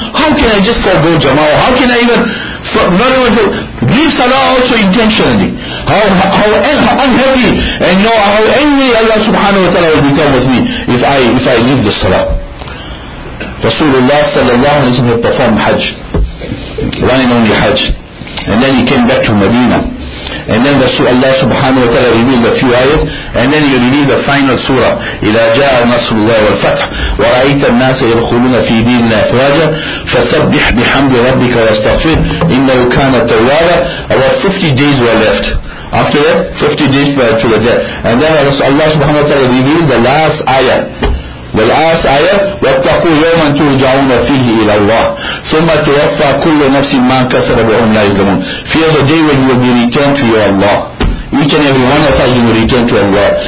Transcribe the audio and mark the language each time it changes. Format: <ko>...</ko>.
<en>How can I just forgo Jama'ah? How can I not even leave salat also intentionally? How unhappy and you know how angry Allah subhanahu wa ta'ala will become with me if I leave the salat. Rasulullah sallallahu alayhi wa sallam performed Hajj, one and only Hajj, and then he came back to Medina. And then Allah subhanahu wa ta'ala revealed a few ayahs, and then you revealed the final surah,</en> <ar>إِلَى جَاءَ نَصْرُ اللَّهِ وَالْفَتْحُ وَرَأَيْتَ النَّاسَ يَدْخُلُونَ فِي دِينِ اللَّهِ أَفْوَاجًا فَسَبِّحْ بِحَمْدِ رَبِّكَ وَاسْتَغْفِرْ إِنَّهُ كَانَ تَوَّابًا.</ar> <en>About 50 days were left. After that, 50 days prior to the death. And then Allah subhanahu wa ta'ala revealed the last ayah. The last ayah,</en> <ar>وَاتَّقُوا يَوْمًا تُرْجَعُونَ فِيهِ إِلَى اللَّهِ ثُمَّ تُوَفَّى كُلُّ نَفْسٍ مَّا كَسَبَتْ وَهُمْ لَا يُظْلَمُونَ.</ar> <en>Fear the day when you will be returned to your Allah. Each and every one of us will return to Allah.</en>